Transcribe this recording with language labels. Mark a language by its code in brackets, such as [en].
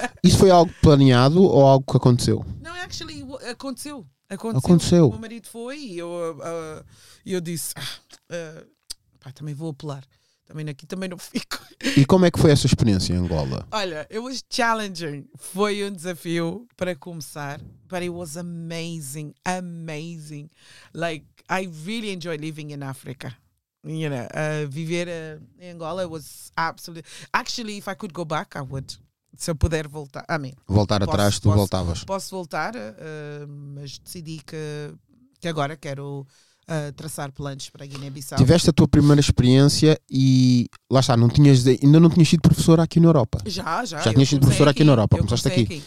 [pt] Isso foi algo planeado ou algo que aconteceu? Não, actually, aconteceu. Aconteceu. O meu marido foi e eu disse, pá, também vou apelar. Também aqui também não fico. E como é que foi essa experiência em Angola? Olha, [en] it was challenging. [pt] Foi um desafio para começar. [en] But it was amazing, amazing. Like, I really enjoy living in Africa. you know, [pt] viver em Angola [en] was absolutely... Actually, if I could go back, I would. [pt] Se eu puder voltar, I mean, voltar posso, atrás, tu posso, voltavas. Posso voltar, mas decidi que agora quero traçar planos para a Guiné-Bissau. Tiveste a tua primeira experiência e lá está, não tinhas, ainda não tinhas sido professora aqui na Europa. Já tinhas sido professora aqui na Europa, começaste aqui.